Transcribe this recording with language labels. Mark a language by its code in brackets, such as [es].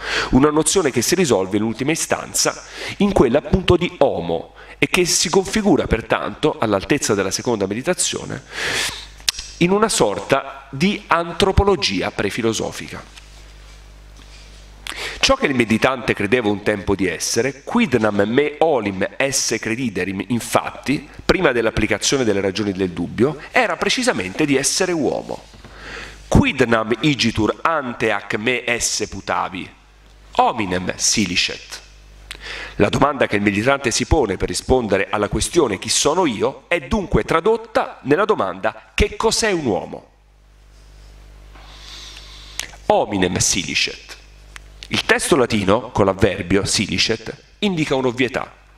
[it] Una nozione che si risolve in ultima istanza in quella appunto di homo e che si configura pertanto, all'altezza della seconda meditazione, in una sorta di antropologia prefilosofica. Ciò che il meditante credeva un tempo di essere, [la] quidnam me olim esse crediderim, [it] infatti, prima dell'applicazione delle ragioni del dubbio, era precisamente di essere uomo. [la] Quidnam igitur ante ac me esse putavi, hominem silicet. [it] La domanda che il meditante si pone per rispondere alla questione chi sono io è dunque tradotta nella domanda che cos'è un uomo. [la] Hominem silicet. [it] Il testo latino, con l'avverbio silicet, indica un'ovvietà.